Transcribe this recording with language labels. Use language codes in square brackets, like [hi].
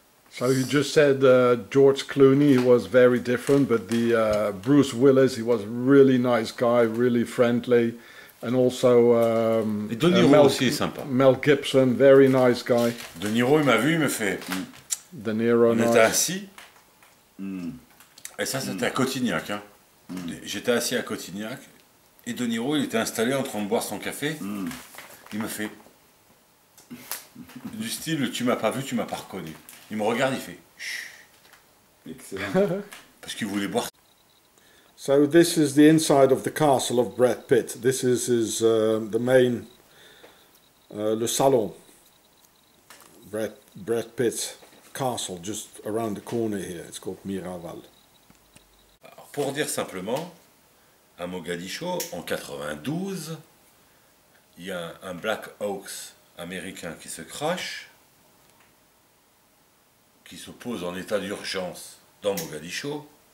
[en] So you just said George Clooney, he was very different, but the Bruce Willis, he was a really nice guy, really friendly, and also [fr] De Niro aussi est sympa. [en] Mel Gibson, very nice guy. [fr] De Niro, il m'a vu, il me fait... De Niro, on [en] nice. [fr] Était assis, et ça c'était à Cotignac, hein. J'étais assis à Cotignac, et De Niro, il était installé en train de boire son café, il me fait... Du style, tu m'as pas vu, tu m'as pas reconnu. Il me regarde, il fait chut. Excellent. Parce qu'il voulait boire. [en] So this is the inside of the castle of Brad Pitt. This is his the main [fr] le salon. [en] Brad Pitt's castle just around the corner here. It's called Miraval. [fr] Alors, pour dire simplement, à Mogadiscio en 92, il y a un Black Hawks américain qui se crache. Qui se pose en état d'urgence dans Mogadiscio.